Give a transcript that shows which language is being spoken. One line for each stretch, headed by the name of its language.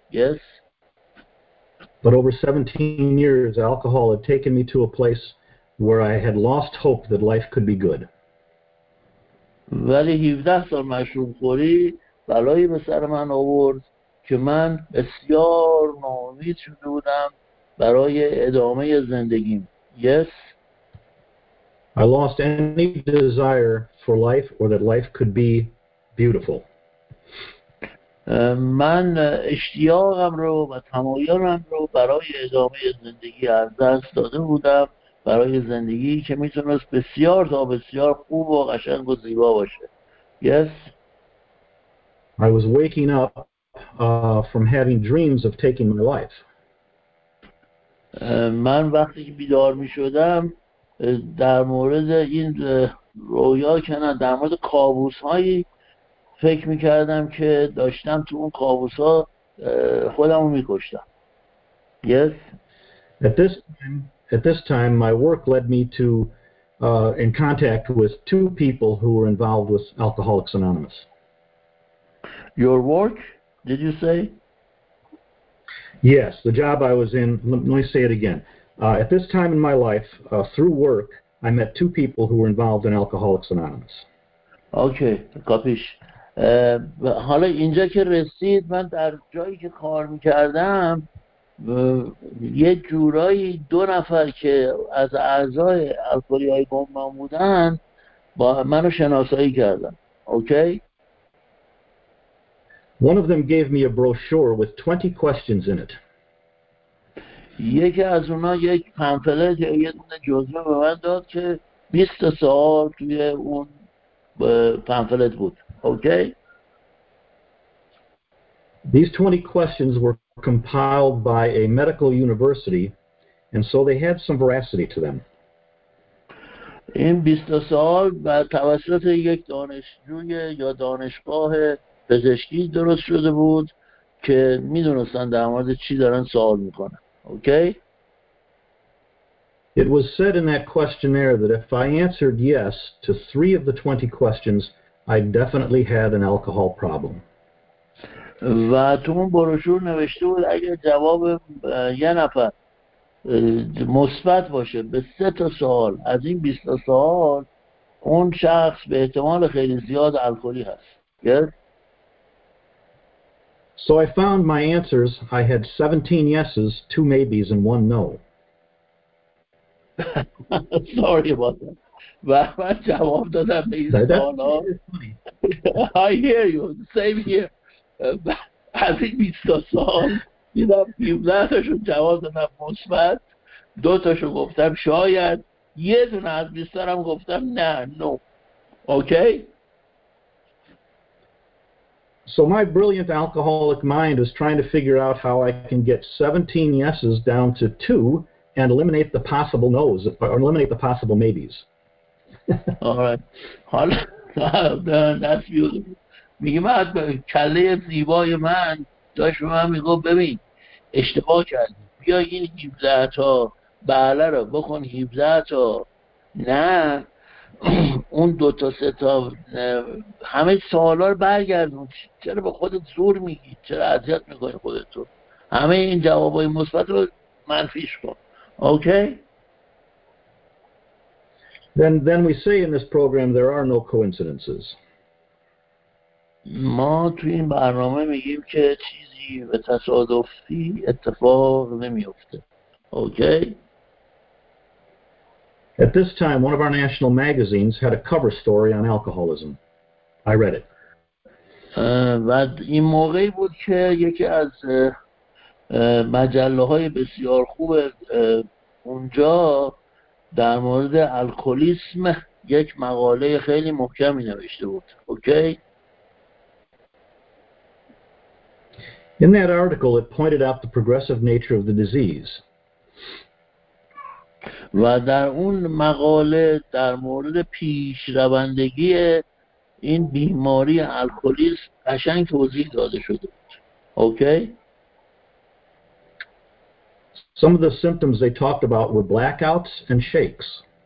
English: Yes. But over 17 years alcohol had taken me to a place where I had lost hope that life could be good.
Persian: ولی 17 سال مشروب خوری بلایی به سر من آورد که من بسیار ناامید شده بودم برای ادامه زندگیم.
English: Yes. I lost any desire for life or that life could be beautiful.
Persian: من اشتیاقم رو و تمایلم رو برای ادامه زندگی از دست داده بودم برای زندگی که میتونست بسیار تا بسیار خوب و قشنگ و زیبا باشه.
English: Yes. I was waking up from having dreams of taking my life.
Persian: من وقتی که بیدار میشدم در مورد این رویا که نه در مورد کابوس هایی فکر میکردم که داشتم تو اون کابوس ها خودم رو میکشتم.
English: Yes. At this time, my work led me to in contact with two people who were involved with Alcoholics Anonymous. Your work, did you say? Yes, the job I was in. Let me say it again. At this time in my life, through work, I met two people who were involved in Alcoholics Anonymous. Okay, kapish.
Persian: حالا اینجا که رسید من در جایی که کار میکردم یه جورایی دو نفر که از اعضای الکلی های گمنام بودن با منو شناسایی کردن.
English: Okay? One of them gave me a brochure with 20 questions in it.
Persian: یکی از اونا یک پنفلت یا یه دونه جزوه به من داد که 20 سوال توی اون پنفلت بود.
English: Okay. These 20 questions were compiled by a medical university, and so they had some veracity to them.
Persian: این 20 سوال توسط یک دانشجوی یا دانشگاه پزشکی درست شده بود که میدونستن در مورد چی دارن سوال میکنن.
English: Okay. It was said in that questionnaire that if I answered yes to 3 of the 20 questions, I definitely had an alcohol problem.
Persian: و تو اون بروشور نوشته بود اگر جواب یه نفر مثبت باشه به 3 تا سوال از این 20 تا سوال اون شخص به احتمال خیلی زیاد الکلی هست.
English: Yes? So I found my answers. I had 17 yeses, 2 maybes and 1 no. Sorry about that.
Persian: من جواب دادم به این سوال ها.
English: I hear you, same here.
Persian: از این 20 سوال دیدم 17 تاشون جواب دادم مثبت، دو تاشون گفتم شاید، یه دونه از 20 تا هم گفتم نه، نو.
English: Okay? So my brilliant alcoholic mind is trying to figure out how I can get 17 yeses down to 2 and eliminate the possible no's, or eliminate the possible maybes. All right. That's beautiful.
Persian: میگه من کله زیبای من داشت به من میگه ببین اشتباه کردی. بیا این 17 تا بله را بخون 17 تا نه اون دو تا سه تا همه سوالا رو برگردون. چرا به خودت زور میگی؟ چرا اذیت میکنی خودت رو؟ همه این جوابای مثبت رو منفیش کن.
English: Okay? Then we say in this program there are no coincidences.
Persian: ما توی این برنامه میگیم که چیزی به تصادفی اتفاق نمیفته.
English: Okay? At this time, one of our national magazines had a cover story on alcoholism. I read it.
Persian: بعد این موقعی بود که یکی از مجله‌های بسیار خوب اونجا در مورد الکلیسم یک مقاله خیلی محکمی نوشته بود.
English: Okay. In that article, it pointed out the progressive nature of the disease.
Persian: و در اون مقاله در مورد پیش روندگی این بیماری الکلیسم قشنگ توضیح داده شده بود.
English: Okay? Some of the symptoms they talked about were blackouts and shakes.